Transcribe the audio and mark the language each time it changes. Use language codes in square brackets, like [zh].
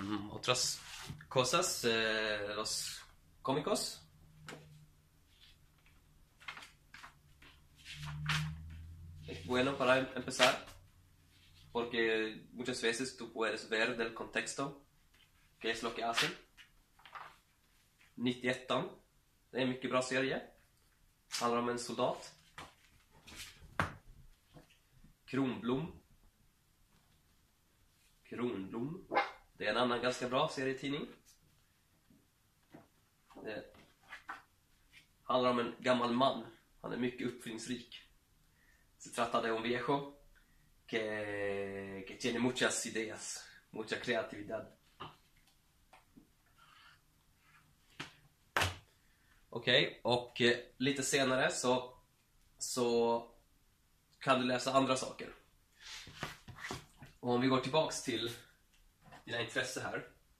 [es] Otras cosas, los cómicos. Es bueno para empezar, porque muchas veces tú puedes ver del contexto qué es lo que hacen. [sv] 91, det är en mycket bra serie. Handlar om en soldat. Kronblom. Det är en annan ganska bra serietidning. Det handlar om en gammal man. Han är mycket uppfinningsrik. [es] Se trata de un viejo que tiene muchas ideas, mucha creatividad. [sv] Okej, okay, och lite senare så kan du läsa andra saker. Och om vi går tillbaks till dina intresse här.